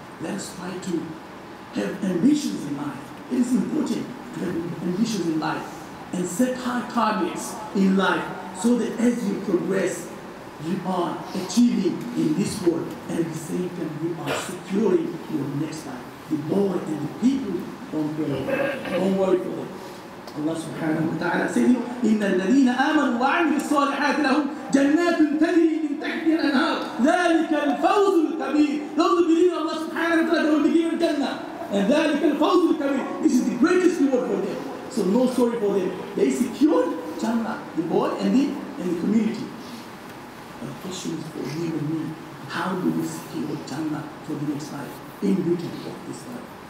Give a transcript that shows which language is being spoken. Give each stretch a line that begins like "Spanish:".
English: Let us try to have ambitions in life. It is important to have ambitions in life and set high targets in life so that as you progress, you are achieving in this world and at the same time you are securing your next life. The boy and the people, don't worry for them.
Arabic: Allah subhanahu wa ta'ala says, إِنَّ الَّذِينَ آمَنُوا وَعَمِلُوا الصَّالِحَاتِ لَهُمْ جَنَّاتٌ تَجْرِي مِنْ تَحْتِهَا الْأَنْهَارُ ذَلِكَ الْفَوْزُ الْكَبِيرُ.
English: Those who believe in Allah subhanahu wa ta'ala, they will be given Jannah. And ذَلِكَ الْفَوْزُ الْكَبِيرُ, this is the greatest reward for them. So no sorry for them. They secured Jannah, the boy and the community. But the question is for you and me, how do we secure Jannah for the next life, in beauty of this life?